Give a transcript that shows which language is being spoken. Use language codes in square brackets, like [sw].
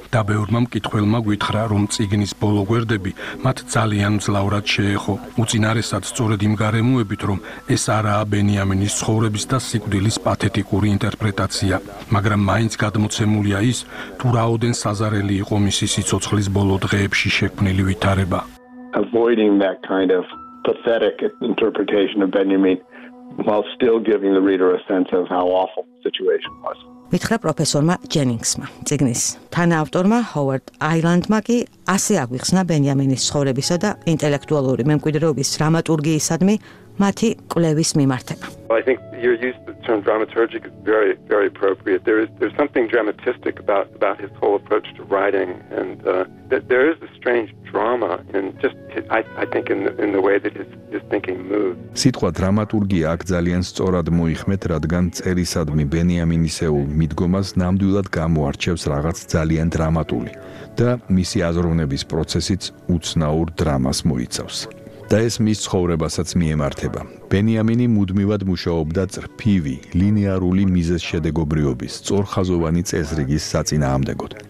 [ka] და ბევრმა მკითხველმა გვითხრა, რომ წიგნის ბოლო გვერდები მათ ძალიან მძლავრად შეეხო. უწინარესად სწორედ იმ გარემოებით, რომ ეს არაა ბენიამინის ცხოვრების და სიკვდილის პათეტიკური ინტერპრეტაცია. მაგრამ მაინც გადმოცემულია ის, თუ რაოდენ საზარელი იყო მისი სიცოცხლის ბოლო დღეებში შექმნილი ვითარება. [en] Avoiding that kind of pathetic interpretation of Benjamin while still giving the reader a sense of how awful the situation was. [ka] მითხრა პროფესორმა ჯენინგსმა წიგნის თანაავტორმა ჰოვარდ აილანდმა კი ასე აგვიხსნა ბენიამინის ცხოვრებისა და ინტელექტუალური მემკვიდრეობის დრამატურგიისადმი მათი კვლევის მიმართება. [en] I think you're used to the term dramaturgic is very very appropriate. There's something dramatistic about his whole approach to writing and that there is a strange drama and just I think in the way that his thinking moves. [ka] სიტყვა დრამატურგია აქ ძალიან სწორად მოიხმეთ, რადგან წერისადმი ბენიამინისეულ მიდგომას ნამდვილად გამოარჩევს რაღაც ძალიან დრამატული და მისი აზროვნების პროცესიც უცნაურ დრამას მოიცავს. და ეს მის ცხოვრებასაც მიემართება. ბენიამინი მუდმივად მუშაობდა წრფივი, ლინეარული მიზეზშედეგობრიობის, სწორხაზოვანი წესრიგის საწინააღმდეგოდ.